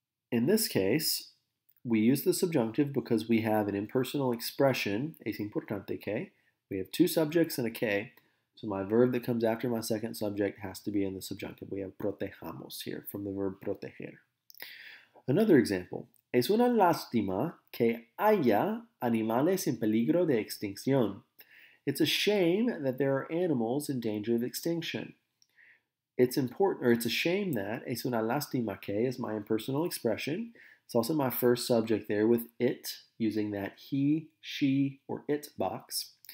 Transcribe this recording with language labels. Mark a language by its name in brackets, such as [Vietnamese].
[English] In this case, we use the subjunctive because we have an impersonal expression, [Spanish] es importante que. [English] We have two subjects and a que. So, my verb that comes after my second subject has to be in the subjunctive. We have protejamos here from the verb proteger. Another example. [Spanish] Es una lástima que haya animales en peligro de extinción. [English] It's a shame that there are animals in danger of extinction. It's important, or it's a shame that, [Spanish] es una lástima que, [English] is my impersonal expression. It's also my first subject there with it, using that he, she, or it box.